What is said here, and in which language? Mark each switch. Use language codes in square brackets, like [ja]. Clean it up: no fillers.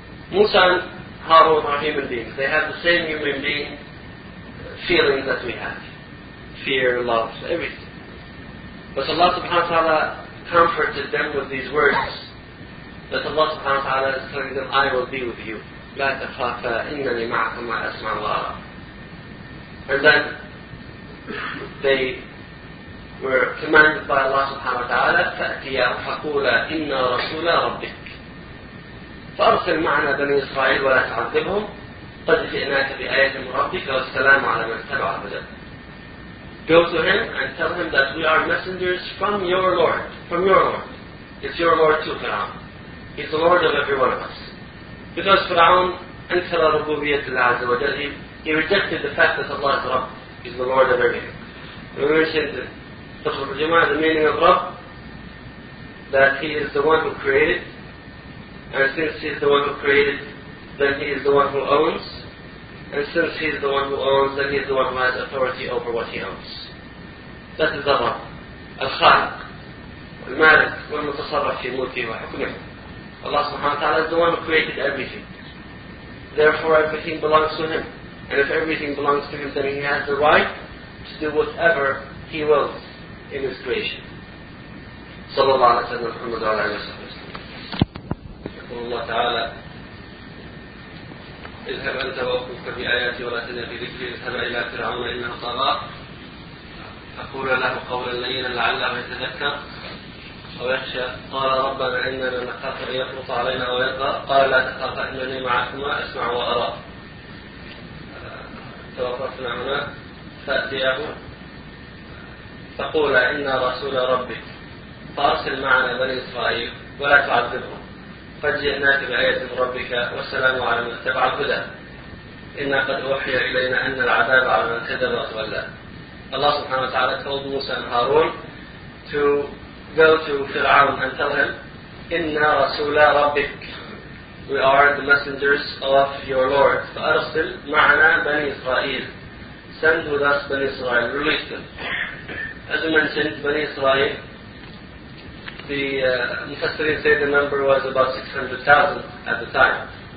[en] Musa and Harun are human beings. They have the same human being feelings that we have. Fear, love, everything. But Allah subhanahu wa ta'ala comforted them with these words. That Allah subhanahu wa ta'ala is telling them, I will be with you. [ar] لا تخافا إنني معكما أسمع الله. [en] And then they were commanded by Allah subhanahu wa ta'ala, [ar] فَأْتِيَا فَقُولَا إِنَّا رَسُولَا رَبِّكَ فَأَرْسِلْ مَعْنَا بَنِي إِسْرَائِيلَ وَلَا تَعَذِّبْهُمْ قَدْ جِئْنَاكَ بِآيَةٍ مِنْ رَبِّكَ وَالسَّلَامُ عَلَى مَنْ تَبَعَ الْهُدَى. [en] Go to him and tell him that we are messengers from your Lord. It's your Lord too, Fir'aun. He's the Lord of every one of us. Because Fir'aun, [ar] أَنْكَرَ رُبُوبِيَةِ اللَّهِ عَزَّ وَجَلَّ, [en] he rejected the fact that Allah is Rabb. He's the Lord of everything. We mentioned the meaning of Rabb, that he is the one who created, and since he is the one who created, then he is the one who owns, and since he is the one who owns, then he is the one who has authority over what he owns. That is the Rabb, [ar] Al-Khaliq, Al-Malik, Al-Mutasarrif fi mulkihi wa hukmihi. [en] Allah subhanahu wa ta'ala is the one who created everything. Therefore everything belongs to him. And if everything belongs to him, then he has the right to do whatever he wills in his creation. [ar] صلى الله عليه وسلم محمد وعلى آله وصحبه وسلم. يقول الله تعالى اذهب أنت وأخوك بآياتي ولا تنيا في ذكري اذهب إلى فرعون إنه طغى فقولا له قولا لينا لعله يتذكر أو يخشى قال ربنا إننا نخاف أن يفرط علينا أو يطغى قال لا تخافا إنني معكما أسمع وأرى. توقفنا هنا فأتياه فقولا إنا رسول ربك فأرسل معنا بني إسرائيل ولا تعذبهم فجئناك بآية من ربك والسلام على من اتبع الهدى إنا قد أوحي إلينا أن العذاب على من كذب وتولى. الله سبحانه وتعالى [en] told موسى and هارون to go to Fir'aun and tell him [ar] إنا رسول ربك [en] we are the messengers of your Lord. [ar] فَأَرْسِلْ مَعَنَا بَنِي إِسْرَائِيلِ. [en] Send with us Bani Israel, release them. As we mentioned, Bani Israel, the Mufassirin say the number was about 600,000 at the time.